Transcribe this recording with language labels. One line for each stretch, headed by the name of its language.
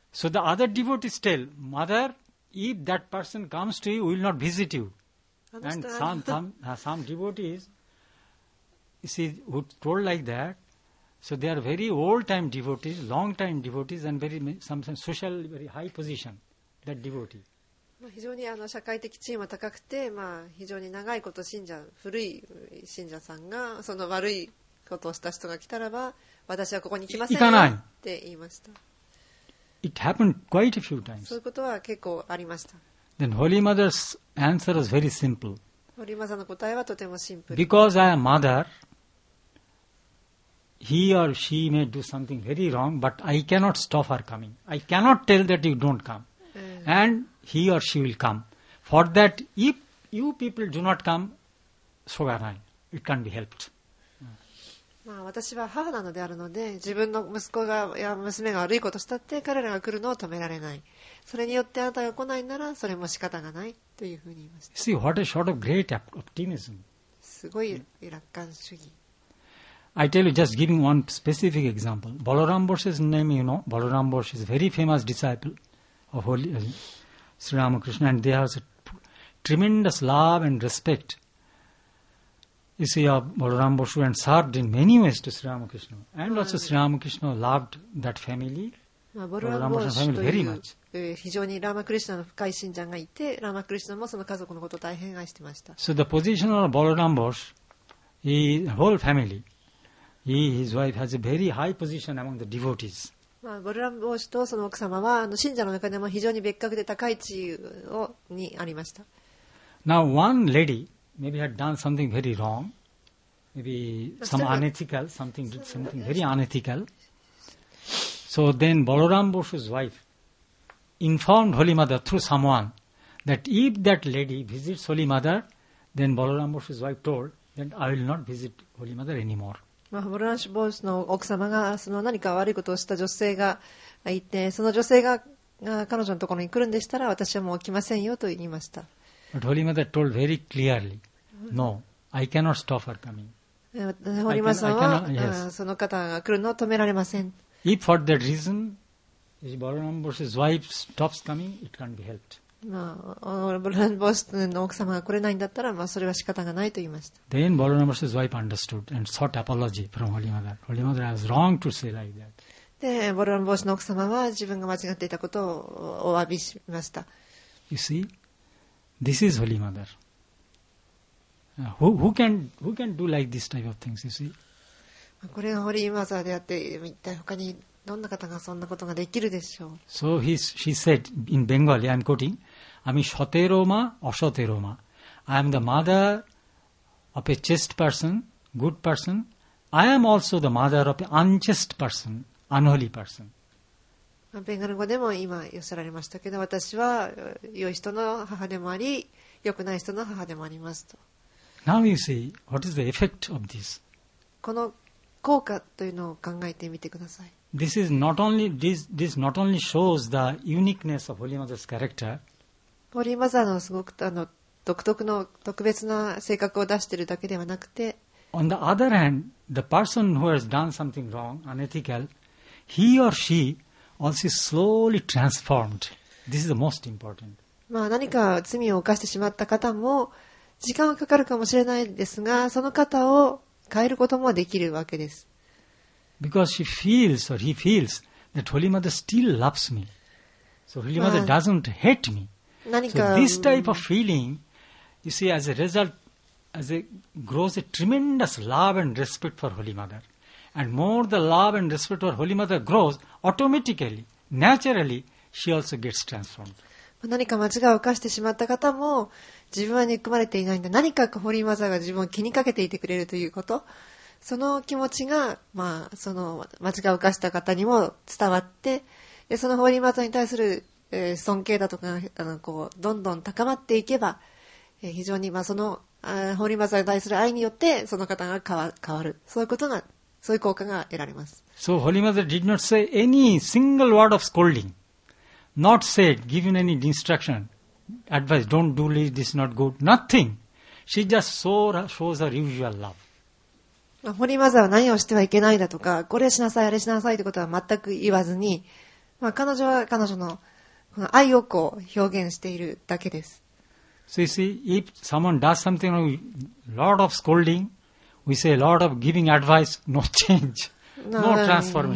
English: So the other devotees tell, mother, if that person comes to you, we will not visit you. And some devotees, you see, who told like that, so they are very old-time devotees, long-time devotees, and very, some social, very high position, that devotee.
Japanese: 非常にあの社会的地位も高くて、まあ、非常に長いこと信者、古い信者さんがその悪いことをした人が来たらば、私はここに来ませんよって言いました。
English: It happened quite a few times.
Japanese: そういうことは結構ありました。
English: Then Holy Mother's answer is very simple.
Japanese: Holy Mother の答えはとてもシンプル。
English: Because I am mother, he or she may do something very wrong, but I cannot stop her coming. I cannot tell that you don't come. And he or she will come. For that, if you people do not come, shogarai, it can be helped.
Japanese: まあ私は母なのであるので、自分の息子がや娘が悪いことしたって彼らが来るのを止められない。それによってあなたが来ないならそれも仕方がないというふうに言いました。
English: See what a sort of great optimism.
Japanese: すごい楽観主義。
English: I tell you, just giving one specific example. Balaram Bose's name, you know, Balaram Bose is a very famous disciple. Of Holy, Sri Ramakrishna, and they have tremendous love and respect. You see, Balaram Bose and served in many ways to Sri Ramakrishna, and also Sri Ramakrishna loved that family. Balaram Bose family very much.
Japanese: 非常にラマクリシナの深い信者がいて、ラマクリシナもその家族のことを大変愛してました。
English: So the position of Balaram Bose, his whole family, he, his wife has a very high position among the devotees.
Japanese: まあ、ボルランボー氏とその奥様はあの信者の中でも非常に別格で高い地位をにありました。
English: Now one lady maybe had done something very wrong, maybe some unethical, something very unethical. So then Balaram Bose's wife informed Holy Mother through someone that if that lady visits Holy Mother, then Balaram Bose's wife told that I will not visit Holy Mother anymore.
Japanese: まあ、ボルランボースの奥様がその何か悪いことをした女性がいて、その女性 が彼女のところに来るんでしたら私はもう来ませんよと言いました。
English: ホリマザー told very clearly, No, I cannot stop her coming.
Japanese: ホリマザーは yes. その方が来るのを止められません。
English: If for that reason, ボルランボース's wife stops coming, it can't be helped.
Japanese: まあ、ボルランボスの奥様が来れないんだったら、まあ、それは仕方がないと言いました。
English: Then Balaram Bose's wife understood and sought apology from Holy Mother. Holy Mother was wrong to say like that.
Japanese: で、ボルランボスの奥様は自分が間違っていたことをお詫びしました。
English: You see, this is Holy Mother. Who can do like this type of things? You see,
Japanese: これがホリーマザーであって、一体他に。どんな方がそんなことができるでしょう。
English: So he, she said in Bengali, I'm quoting, I'm
Bangla: shotero ma, ashotero ma.
English: I am the mother of a chaste person, good person. I am also the mother of an unchaste person, unholy person.
Japanese: ベンガル語でも今寄せられましたけど、私は良い人の母でもあり、良くない人の母でもありますと。
English: Now you see, what is the effect of this?
Japanese: この効果というのを考えてみてください。
English: This is not only this not only shows the uniqueness of Holy Mother's character.
Japanese: ホーリーマザーのすごくあの独特の特別な性格を出しているだけではなくて、
English: On the other hand, the person who has done something wrong, unethical, he or she also slowly transformed. This is the most important.
Japanese: まあ何か罪を犯してしまった方も時間はかかるかもしれないですが、その方を変えることもできるわけです。
English: Because she feels or he feels that Holy Mother still loves me. So Holy Mother doesn't hate me.
Japanese: 何か、
English: so、this type of feeling, you see, as a result,As it grows a tremendous love and respect for Holy Mother. And more the love and respect for Holy Mother grows, automatically, naturally, she also gets transformed.
Japanese: 何か間違いを犯してしまった方も、自分は憎まれていないんだ。何かホリーマザーが自分を気にかけていてくれるということ。その気持ちが、まあ、その間違いを犯した方にも伝わって、でそのホリーマザーに対する、尊敬だとか、あのこうどんどん高まっていけば、非常に、まあ、その、ホーリーマザーに対する愛によってその方が変わる、そういうことが、そういう効果が得られます。
English: So Holy Mother did not say any single word of scolding, not said, given any instruction, advice, don't do this, this is not good, nothing. She just shows her usual love.
Japanese: ホーリーマザーは何をしてはいけないだとか、これしなさい、あれしなさいということは全く言わずに、まあ、彼女は彼女の愛をこう表現しているだけです。
English: So you see, if someone does something with a lot of scolding, we say a lot of giving advice, no change, no transformation.